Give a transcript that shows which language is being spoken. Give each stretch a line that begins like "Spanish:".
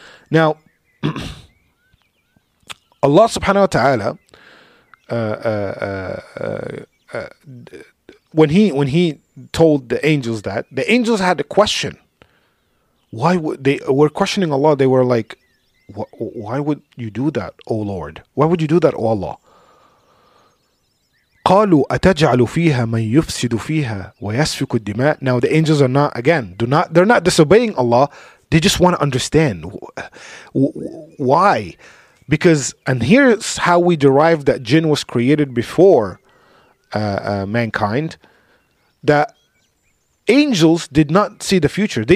English: Now, Allah subhanahu wa ta'ala, when he told the angels that, the angels had a question. Why would they were questioning Allah? They were like, why would you do that, O Lord? Why would you do that, O Allah?
Arabic: قالوا أتجعل فيها من يفسد فيها ويسفك الدماء.
English: Now the angels are not, again, they're not disobeying Allah. They just want to understand why. Because, and here's how we derive that jinn was created before mankind, that angels did not see the future.